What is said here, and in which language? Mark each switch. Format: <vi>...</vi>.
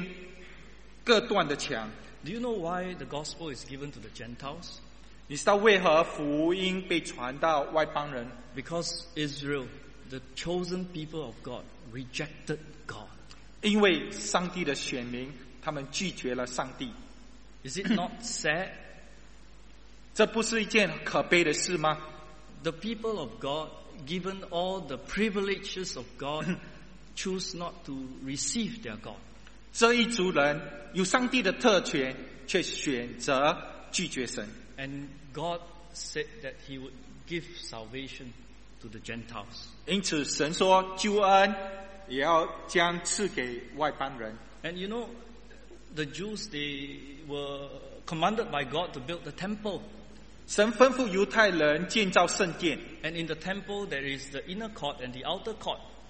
<zh>第14节说，因他使我们和睦，将这两下合而为一，拆毁了中间各断的墙。</zh> <en>Do you know why the gospel is given to the Gentiles?</en> <zh>你知道为何福音被传到外邦人?</zh> <en>Because Israel, the chosen people of God, rejected God.</en> <zh>因为上帝的选民，他们拒绝了上帝。</zh> <en>Is it not sad?</en> <zh>这不是一件可悲的事吗?</zh> <en>The people of God, given all the privileges of God, choose not to receive their God.</en> <zh>这一族人有上帝的特权，却选择拒绝神。</zh> <en>And God said that he would give salvation to the Gentiles.</en> <zh>因此神说救恩也要将赐给外邦人。</zh> <en>And you know, the Jews, they were commanded by God to build the temple.</en> <zh>神吩咐犹太人建造圣殿。</zh> <en>And in the temple, there is the inner court and the outer court.</en>